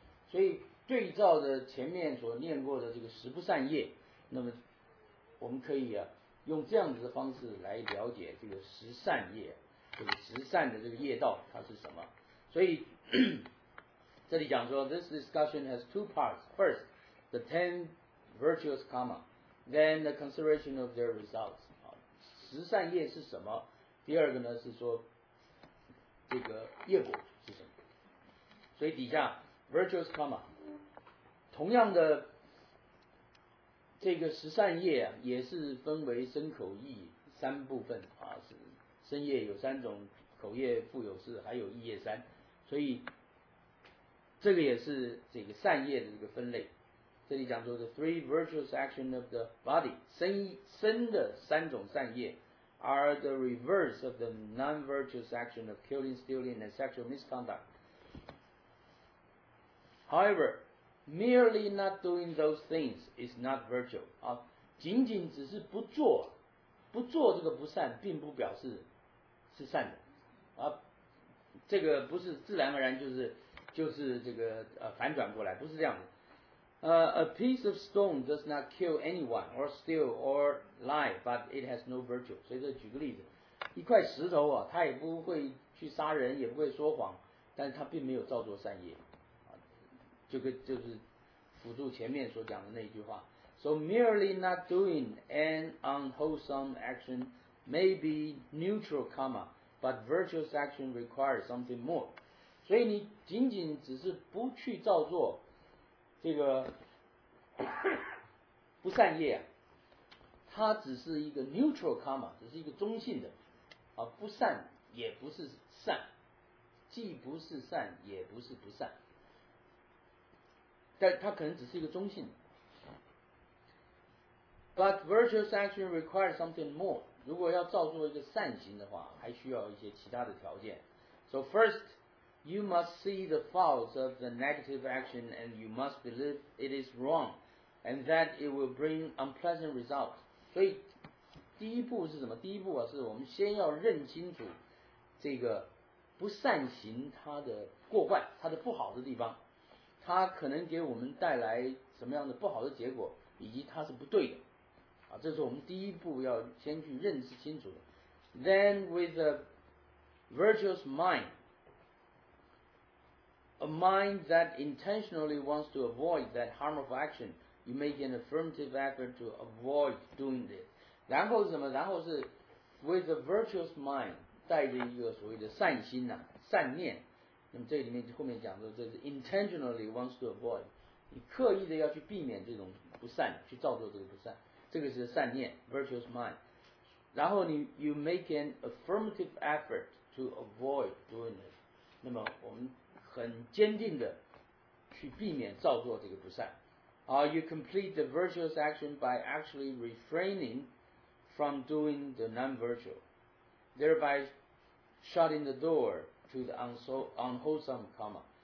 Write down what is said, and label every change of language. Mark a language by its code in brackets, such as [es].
[zh] 所以对照着前面所念过的这个十不善业，那么我们可以啊用这样子的方式来了解这个十善业，这个十善的这个业道它是什么。 [en] 所以这里讲说 This discussion has two parts. First, the 10 virtuous karma, then the consideration of their results. [zh] 十善业是什么，第二个呢是说这个业果是什么。所以底下 virtuous karma 同样的这个十善业也是分为身口意三部分啊，是身业有三种，口业富有事还有意业三，所以这个也是这个善业的这个分类。 [en] 这里讲说的 three virtuous action of the body, 身的三种善业 are the reverse of the non-virtuous action of killing, stealing and sexual misconduct. HoweverMerely not doing those things is not virtue. [zh] 啊，仅仅只是不做这个不善，并不表示是善的。啊，这个不是自然而然就是这个反转过来，不是这样的。 [en] A piece of stone does not kill anyone or steal or lie, but it has no virtue. [zh] 所以这举个例子，一块石头啊，它也不会去杀人，也不会说谎，但是它并没有造作善业。就是辅助前面所讲的那一句话。 [en] So merely not doing an unwholesome action may be neutral karma, but virtuous action requires something more. [zh] 所以你仅仅只是不去造作这个不善业啊，它只是一个 neutral karma, 只是一个中性的啊，不善也不是善，既不是善也不是不善。但它可能只是一个中性。 [en] But virtuous action requires something more. [zh] 如果要造作一个善行的话，还需要一些其他的条件。 [en] So first, you must see the faults of the negative action and you must believe it is wrong and that it will bring unpleasant results. [zh] 所以第一步是什么？第一步啊，是我们先要认清楚这个不善行它的过患，它的不好的地方。它可能给我们带来什么样的不好的结果，以及它是不对的啊，这是我们第一步要先去认识清楚的。 [en] Then with a virtuous mind, a mind that intentionally wants to avoid that harmful action, you make an affirmative effort to avoid doing it. [zh] 然后是什么？然后是 with a virtuous mind, 带着一个所谓的善心啊，善念。那么这里面后面讲的，这是 intentionally wants to avoid, 你刻意的要去避免这种不善，去造作这个不善，这个是善念 virtuous mind. [en] 然后你 you make an affirmative effort to avoid doing it, [zh] 那么我们很坚定的去避免造作这个不善。 [en] You complete the virtuous action by actually refraining from doing the non-virtual, thereby shutting the door to the unwholesome karma.